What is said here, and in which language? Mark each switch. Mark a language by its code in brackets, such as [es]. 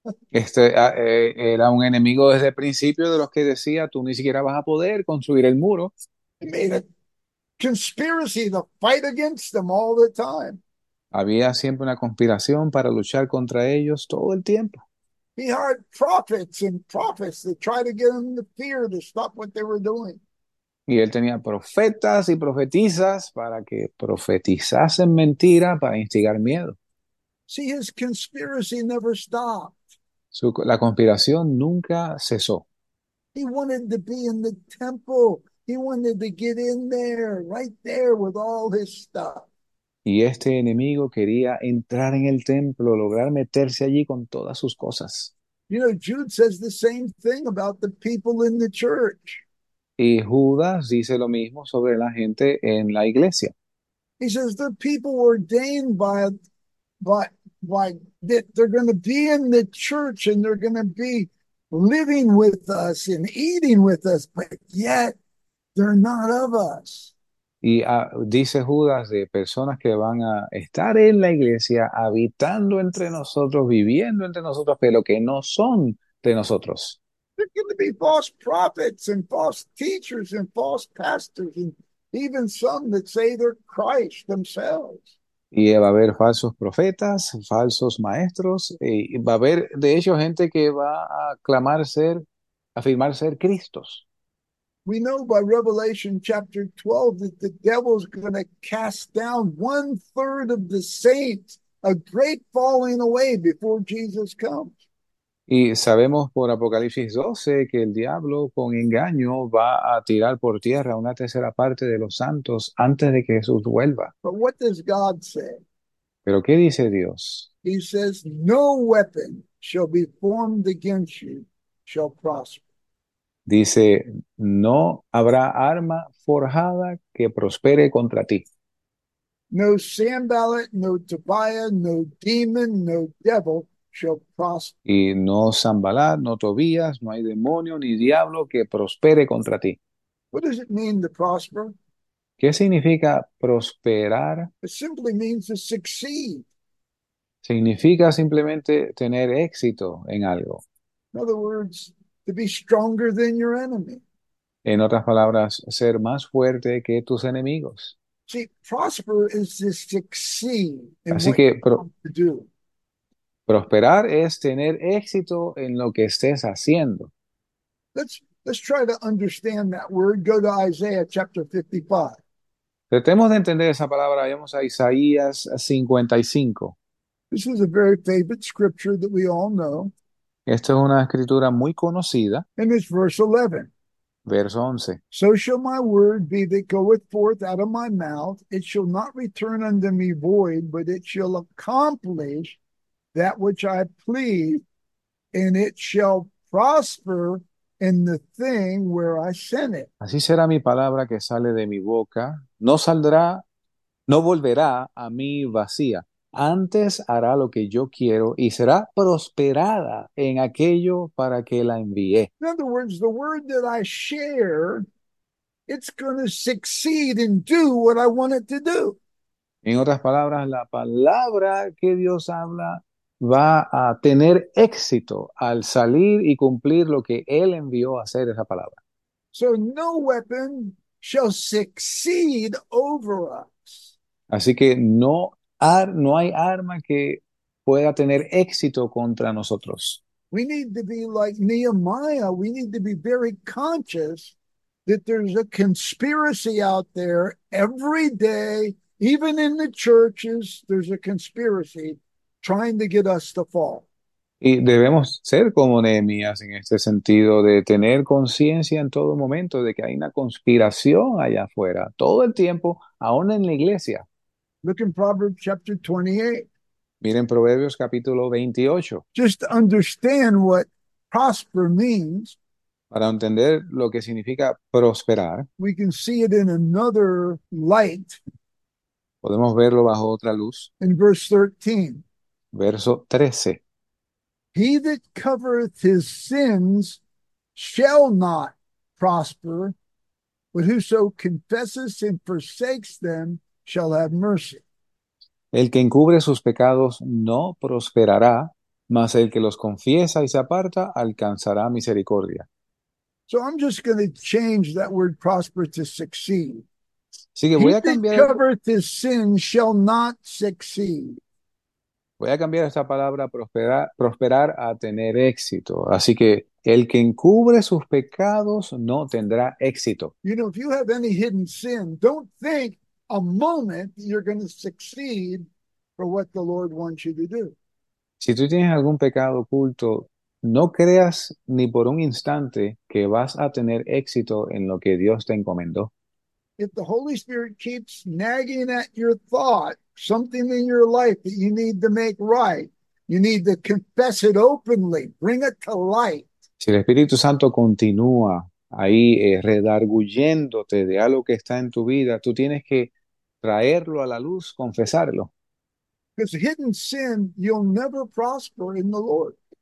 [es] Este era un enemigo desde el principio de los que decía, tú ni siquiera vas a poder construir el muro. [en] Made a conspiracy to fight against them all the time. [es] Había siempre una conspiración para luchar contra ellos todo el tiempo. [en] He hired prophets and prophets to try to get him to fear to stop what they were doing. [es] Y él tenía profetas y profetisas para que profetizasen mentira, para instigar miedo. [en] See, his conspiracy never stopped. [es] La conspiración nunca cesó. [en] He wanted to be in the temple. He wanted to get in there, right there with all his stuff. [es] Y este enemigo quería entrar en el templo, lograr meterse allí con todas sus cosas. [en] Jude says the same thing about the people in the church. [es] Y Judas dice lo mismo sobre la gente en la iglesia. [en] He says the people ordained by that they're going to be in the church and they're going to be living with us and eating with us, but yet they're not of us. [es] Y dice Judas de personas que van a estar en la iglesia, habitando entre nosotros, viviendo entre nosotros, pero que no son de nosotros. [en] There can be false prophets and false teachers and false pastors and even some that say they're Christ themselves. [es] Y va a haber falsos profetas, falsos maestros, y va a haber de hecho gente que va a clamar ser, afirmar ser Cristos. [en] We know by Revelation chapter 12 that the devil's going to cast down one third of the saints, a great falling away before Jesus comes. [es] Y sabemos por Apocalipsis 12 que el diablo con engaño va a tirar por tierra una tercera parte de los santos antes de que Jesús vuelva. [en] But what does God say? [es] Pero ¿qué dice Dios? [en] He says, no weapon shall be formed against you shall prosper. [es] Dice, no habrá arma forjada que prospere contra ti. [en] No Sanballat, no Tobiah, no demon, no devil shall prosper. [es] Y no Sanbalat, no Tobías, no hay demonio ni diablo que prospere contra ti. [en] What does it mean to prosper? [es] ¿Qué significa prosperar? [en] It simply means to succeed. [es] Significa simplemente tener éxito en algo. [en] In other words, to be stronger than your enemy. [es] En otras palabras, ser más fuerte que tus enemigos. [en] See, prosper is to succeed in [es] Así [en] what you [es] que [en] want to do. [es] prosperar es tener éxito en lo que estés haciendo. [en] Let's try to understand that word. Go to Isaiah chapter 55. [es] Tratemos de entender esa palabra. Vayamos a Isaías 55. [en] This is a very favorite scripture that we all know. [es] Esta es una escritura muy conocida. [en] And it's verse 11. [es] Verso 11. [en] So shall my word be that goeth forth out of my mouth, it shall not return unto me void, but it shall accomplish that which I please, and it shall prosper in the thing where I sent it. [es] Así será mi palabra que sale de mi boca. No saldrá, no volverá a mí vacía. Antes hará lo que yo quiero y será prosperada en aquello para que la envié. [en] In other words, the word that I share, it's going to succeed and do what I want it to do. [es] En otras palabras, la palabra que Dios habla va a tener éxito al salir y cumplir lo que Él envió a hacer esa palabra. [en] So no weapon shall succeed over us. [es] Así que no hay arma que pueda tener éxito contra nosotros. [en] We need to be like Nehemiah. We need to be very conscious that there's a conspiracy out there every day, even in the churches, there's a conspiracy trying to get us to fall. [es] Y debemos ser como Nehemías en este sentido de tener conciencia en todo momento de que hay una conspiración allá afuera, todo el tiempo, aún en la iglesia. [en] Look in Proverbs chapter 28. [es] Miren Proverbios capítulo 28. [en] Just to understand what prosper means, [es] Para entender lo que significa prosperar, [en] we can see it in another light [es] podemos verlo bajo otra luz. [en] in verse 13. [es] Verso 13. [en] He that covereth his sins shall not prosper, but whoso confesses and forsakes them shall have mercy. [es] El que encubre sus pecados no prosperará, mas el que los confiesa y se aparta alcanzará misericordia. [en] So I'm just going to change that word prosper to succeed. [es] Así que [en] He that covereth his sin shall not succeed. [es] voy a cambiar esta palabra prosperar a tener éxito. Así que el que encubre sus pecados no tendrá éxito. [en] You know, if you have any hidden sin, don't think a moment you're going to succeed for what the Lord wants you to do. [es] Si tú tienes algún pecado oculto, no creas ni por un instante que vas a tener éxito en lo que Dios te encomendó. [en] If the Holy Spirit keeps nagging at your thought, something in your life that you need to make right, you need to confess it openly, bring it to light. [es] Si el Espíritu Santo continúa ahí redarguyéndote de algo que está en tu vida, tú tienes que traerlo a la luz, confesarlo. [en] Because hidden sin, you'll never prosper in the Lord.